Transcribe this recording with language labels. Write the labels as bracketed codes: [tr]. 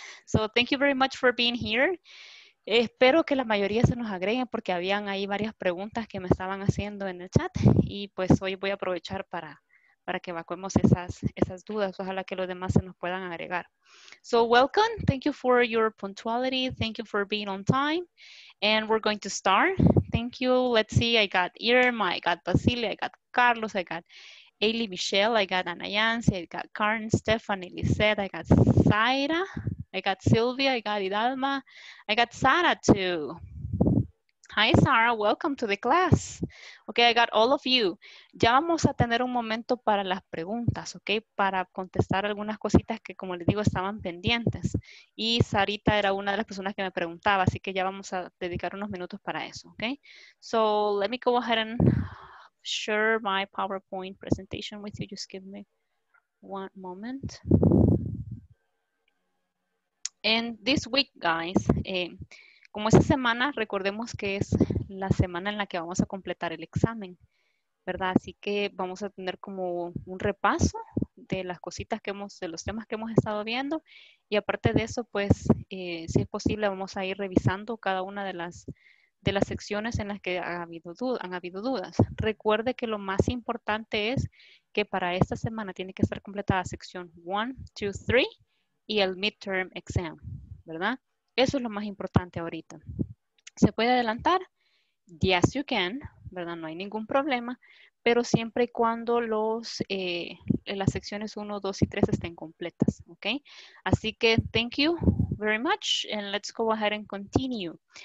[en] So thank you very much for being here. [es] Espero que la mayoría se nos agreguen porque habían ahí varias preguntas que me estaban haciendo en el chat y pues hoy voy a aprovechar para que evacuemos esas dudas. Ojalá que los demás se nos puedan agregar. [en] So welcome, thank you for your punctuality, thank you for being on time, and we're going to start. Thank you. Let's see. I got Irma, I got Basile, I got Carlos, I got Ailey Michelle, I got Anayansi, I got Karen, Stephanie, Lisette, I got Zaira, I got Sylvia, I got Idalma, I got Sara too. Hi Sara, welcome to the class. Okay, I got all of you. [es] Ya vamos a tener un momento para las preguntas, okay, para contestar algunas cositas que, como les digo, estaban pendientes. Y Sarita era una de las personas que me preguntaba, así que ya vamos a dedicar unos minutos para eso, okay? [en] So let me go ahead and share my PowerPoint presentation with you. Just give me one moment. And this week, guys, [es] como esa semana, recordemos que es la semana en la que vamos a completar el examen, ¿verdad? Así que vamos a tener como un repaso de las cositas que hemos, de los temas que hemos estado viendo. Y aparte de eso, pues, si es posible, vamos a ir revisando cada una de las secciones en las que han habido dudas. Recuerde que lo más importante es que para esta semana tiene que estar completada sección 1, 2, 3 y el midterm exam, ¿verdad? Eso es lo más importante ahorita. ¿Se puede adelantar? [en] Yes, you can, [es] ¿verdad? No hay ningún problema, pero siempre y cuando las secciones 1, 2 y 3 estén completas, ¿ok? Así que, [en] thank you very much, and let's go ahead and continue.